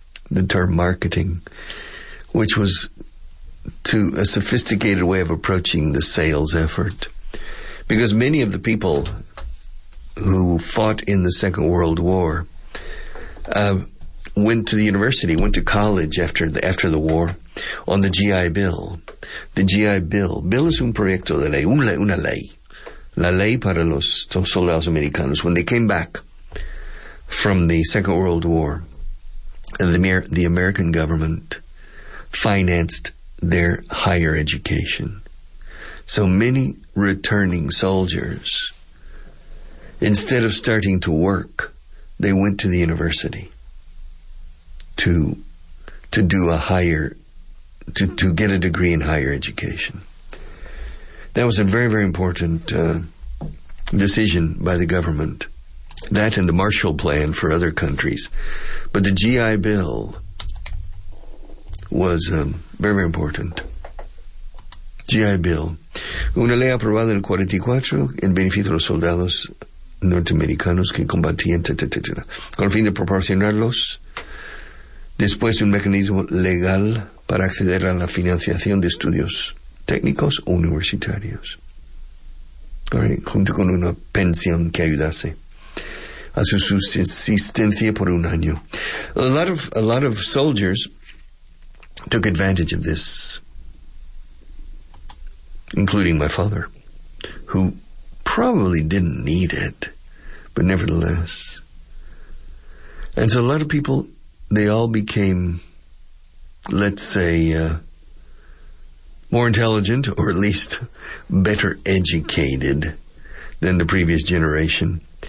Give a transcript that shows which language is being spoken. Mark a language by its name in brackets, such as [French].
[English] The term marketing, which was to a sophisticated way of approaching the sales effort. Because many of the people who fought in the Second World War went to the university, went to college after the war on the GI Bill. The GI Bill. [Spanish] Bill es un proyecto de ley, una ley. La ley para los soldados americanos. [English] When they came back from the Second World War, the American government financed their higher education. So many returning soldiers, instead of starting to work, they went to the university to get a degree in higher education. That was a very, very important decision by the government. That and the Marshall Plan for other countries. But the GI Bill was very, very important. [Spanish] GI Bill. Una ley aprobada en el 44 en beneficio de los soldados norteamericanos que combatían, con el fin de proporcionarlos después un mecanismo legal para acceder a la financiación de estudios técnicos o universitarios, junto con una pensión que ayudase a su subsistencia por un año. [English] A lot of soldiers took advantage of this, including my father, who probably didn't need it, but nevertheless. And so a lot of people, they all became, let's say, more intelligent, or at least better educated than the previous generation.